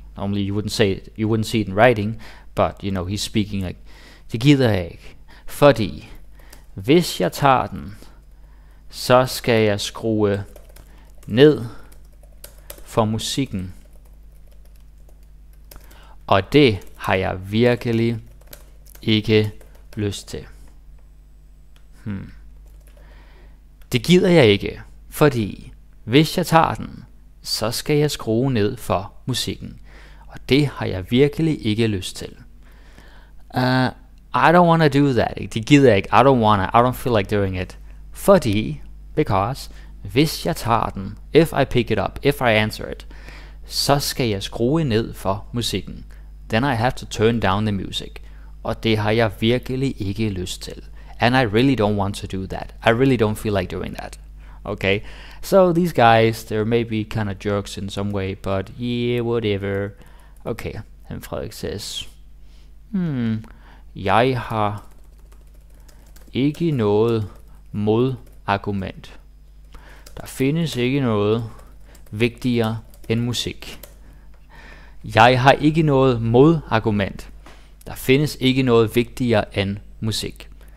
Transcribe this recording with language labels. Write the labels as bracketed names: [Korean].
[English] Normally you wouldn't say it, you wouldn't see it in writing, but you know, he's speaking like, [Danish] det gider jeg ikke, fordi hvis jeg tager den, så skal jeg skrue ned for musikken. Og det har jeg virkelig ikke lyst til. Det gider jeg ikke, fordi hvis jeg tager den, så skal jeg skrue ned for musikken. Og det har jeg virkelig ikke lyst til. [English] I don't wanna do that. [Danish] Det gider jeg ikke. [English] I don't wanna. I don't feel like doing it. Fordi, because, [Danish] hvis jeg tager den, [English] if I pick it up, if I answer it, [Danish] så skal jeg skrue ned for musikken. [English] Then I have to turn down the music. [Danish] Og det har jeg virkelig ikke lyst til. [English] And I really don't want to do that. I really don't feel like doing that. Okay, so these guys, they're maybe kind of jerks in some way, but yeah, whatever. Okay, and Frederik says, [Danish] jeg har ikke noget modargument. Der findes ikke noget vigtigere end musik. Jeg har ikke noget modargument. Der findes ikke noget vigtigere end musik.